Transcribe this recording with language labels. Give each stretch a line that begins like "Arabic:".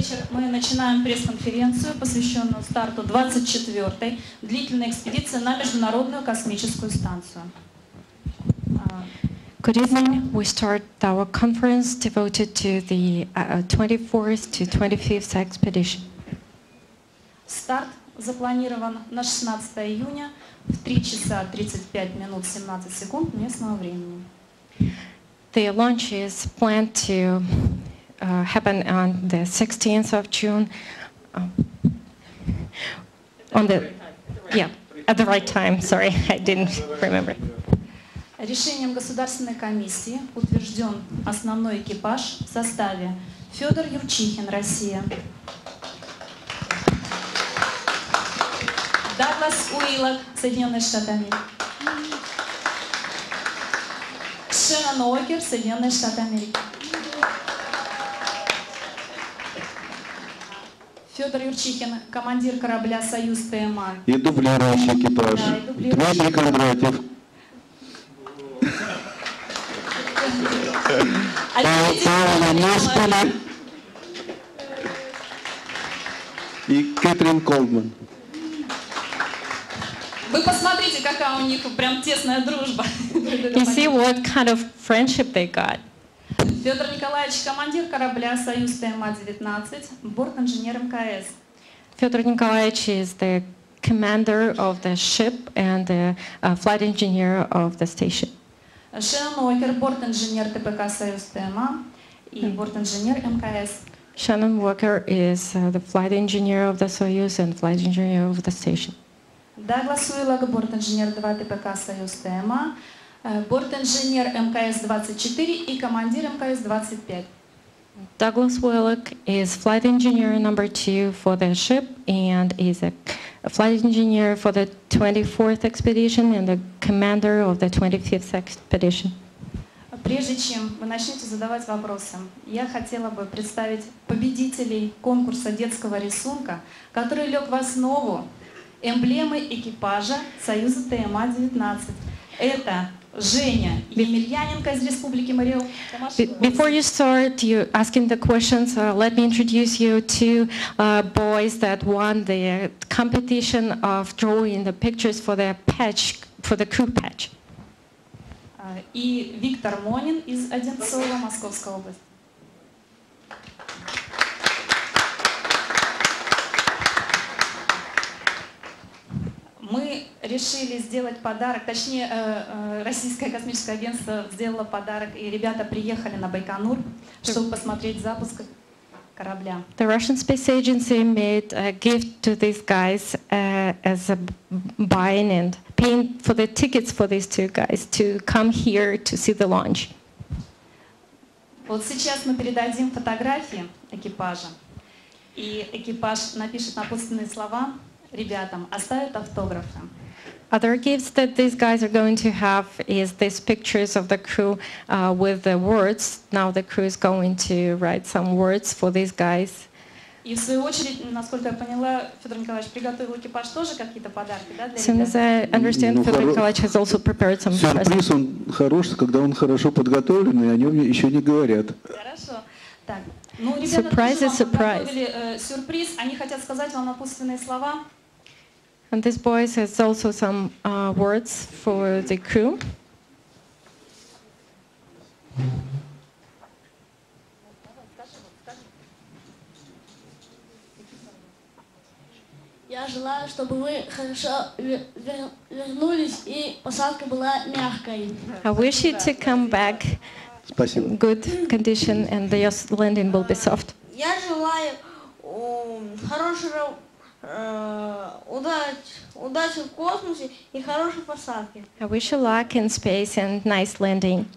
Russian: Начинаем пресс-конференцию, посвященную старту 24-й длительной экспедиции на Международную космическую станцию.
English: Good evening. We start our conference devoted to the 24th to 25th expedition.
Russian: Старт запланирован на 16 июня в 3 часа 35 минут 17 секунд местного времени.
English: The launch is planned to happen on the 16th of June. At the right time. Sorry, I didn't remember.
Russian: Решением Государственной комиссии утвержден основной экипаж в составе Фёдор Юрчихин, Россия. Даглас Уиллок, Соединенные Штаты Америки. Шеннон Окер, Соединенные Штаты Америки. Федор Юрчихин, командир корабля «Союз ТМА». И дублирующий экипаж. Да, и дублирующий. И Кэтрин Колдман. Вы посмотрите, какая у них прям тесная дружба.
English: You see what kind of friendship they got.
Russian: Федор Николаевич, командир корабля «Союз ТМА-19», борт-инженер МКС.
English: Федор Николаевич is the commander of the ship and the flight engineer of the station.
Russian: Шеннон Уокер, борт-инженер ТПК «Союз ТМА» и борт-инженер МКС.
English: Шеннон Уокер is the flight engineer of the Soyuz and flight engineer of the station.
Russian: Даглас Уиллок, борт-инженер 2 ТПК «Союз ТМА», борт-инженер МКС-24 и командир МКС-25.
English: Даглас Уиллок is flight engineer number 2 for the ship and is a flight engineer for the 24th expedition and the commander of the 25th expedition.
Russian: Прежде чем вы начнете задавать вопросы, я хотела бы представить победителей конкурса детского рисунка, который лег в основу эмблемы экипажа Союза ТМА-19. Это Женя Емельяненко из Республики Мариэл.
English: Before you start you asking the questions, let me introduce you to boys that won the competition of drawing the pictures for the patch, for the crew patch.
Russian: И Виктор Монин из Одинцова, Московская область. Мы решили сделать подарок, точнее, Российское космическое агентство сделало подарок, и ребята приехали на Байконур, чтобы посмотреть запуск корабля.
English: The Russian Space Agency made a gift to these guys as a buying and paying for the tickets for these two guys to come here to see the launch.
Russian: Вот сейчас мы передадим фотографии экипажа, и экипаж напишет напутственные слова ребятам, оставят автографы.
English: Other gifts that these guys are going to have is these pictures of the crew with the words. Now the crew is going to write some words for these guys.
Russian: И в свою очередь, насколько я поняла, Федор Николаевич приготовил экипаж тоже какие-то подарки, да, для ребят?
English: As I understand, Федор Николаевич has also prepared some presents.
Russian: Сюрприз он хорош, когда он хорошо подготовлен, и о нем еще не говорят. Хорошо. Так. Ну, ребята,
English: surprise is surprise.
Russian: Сюрприз. Они хотят сказать вам напутственные слова.
English: And this boy has also some words for the crew.
Russian: Я желаю, чтобы вы хорошо вернулись и посадка была мягкой.
English: I wish you to come back in good condition and the landing will be soft.
Russian: Я желаю хорошего удачи в космосе и хорошей посадки.
English: I wish you luck in space and nice landing.